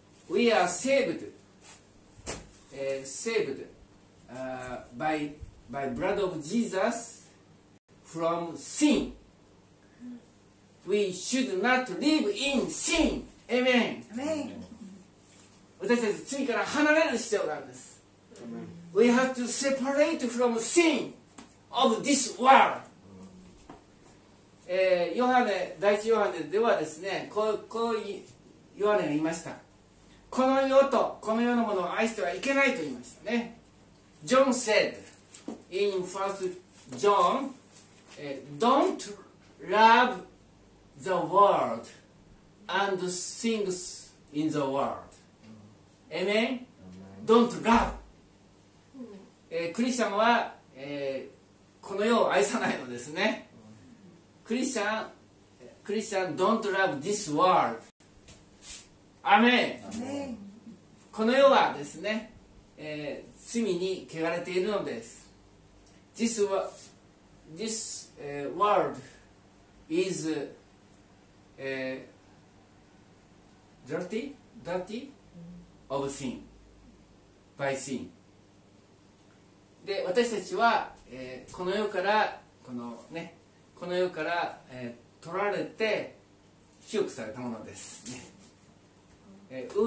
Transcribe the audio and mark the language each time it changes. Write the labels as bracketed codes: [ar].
[en] We are saved, saved by blood of Jesus from sin. We should not live in sin. Amen. Amen. [ja] 私たち罪から離れる必要があるんです。 [en] We have to separate from sin of this world. [ja] ヨハネ、第一ヨハネではですね、こうヨハネが言いました。この世とこの世のものを愛してはいけないと言いましたね。 [en] John said in 1 John, Don't love the world and things in the world. Amen? Don't love. [ja] クリスチャンは、この世を愛さないのですね。 [en] クリスチャン don't love this world. アメン。 [ja] この世はですね、罪に汚れているのです。 [en] This world is dirty of sin by sin. [ja] で私たちは、この世からこのねこの世から、取られて清くされたものですね。